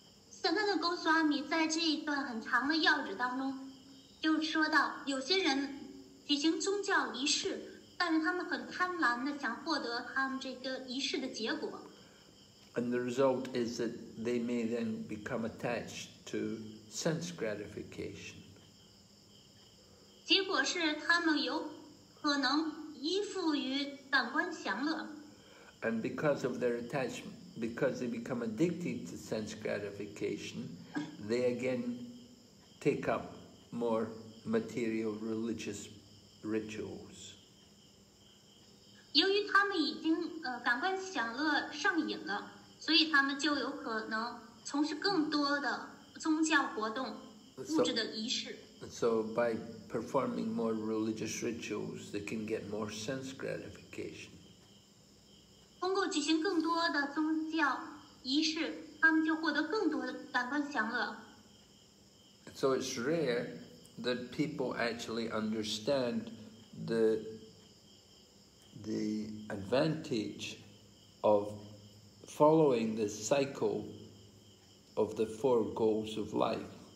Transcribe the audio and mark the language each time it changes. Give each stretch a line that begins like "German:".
Chinese: Sanatan Goswami 在这一段很长的要旨当中，就说到有些人举行宗教仪式，但是他们很贪婪的想获得他们这个仪式的结果。
English: And the result is that they may then become attached to sense gratification.
Chinese: 结果是他们有可能依附于感官享乐。
English: And because of their attachment, because they become addicted to sense gratification, they again take up more material religious rituals.
Chinese: 由于他们已经感官享乐上瘾了，所以他们就有可能从事更多的宗教活动、物质的仪式。
English: So by performing more religious rituals, they can get more sense gratification.
Chinese: 通过举行更多的宗教仪式，他们就获得更多的感官享乐。
English: So it's rare that people actually understand the advantage of following the cycle of the four goals of life.